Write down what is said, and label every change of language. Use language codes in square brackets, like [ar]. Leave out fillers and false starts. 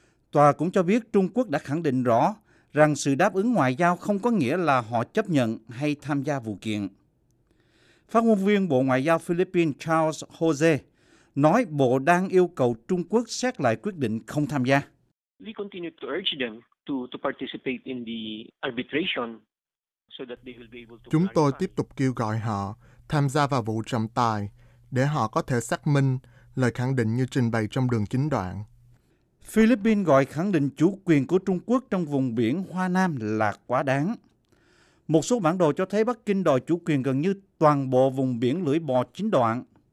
[vi] Tòa cũng cho biết Trung Quốc đã khẳng định rõ rằng sự đáp ứng ngoại giao không có nghĩa là họ chấp nhận hay tham gia vụ kiện. Phát ngôn viên Bộ Ngoại giao Philippines Charles Jose nói Bộ đang yêu cầu Trung Quốc xét lại quyết định không tham gia. [en] We continue to urge them to participate in the arbitration so that they will be able to. [vi] Chúng tôi tiếp tục kêu gọi họ tham gia vào vụ trọng tài để họ có thể xác minh lời khẳng định như trình bày trong đường chính đoạn. Philippines gọi khẳng định chủ quyền của Trung Quốc trong vùng biển Hoa Nam là quá đáng. Một số bản đồ cho thấy Bắc Kinh đòi chủ quyền gần như toàn bộ vùng biển lưỡi bò chín đoạn.